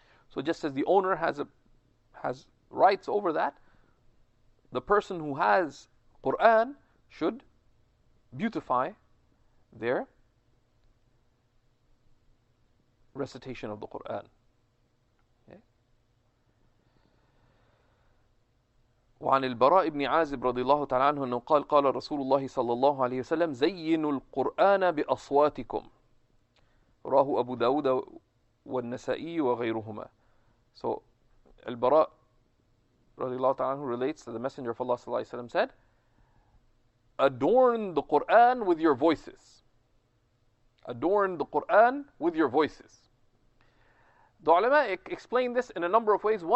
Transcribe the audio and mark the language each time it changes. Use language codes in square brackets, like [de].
[en] So just as the owner has rights over that, the person who has Qur'an should beautify their recitation of the Qur'an. [ar] وعن البراء بن عازب رضي الله تعالى عنه أنه قال قال رسول الله صلى الله عليه وسلم زينوا القرآن بأصواتكم راه أبو داود والنسائي وغيرهما. [en] So البراء [ar] رضي الله تعالى عنه [en] relates that the messenger of Allah [ar] صلى الله عليه وسلم [en] said adorn the Quran with your voices. Adorn the Quran with your voices. The علماء explain this in a number of ways.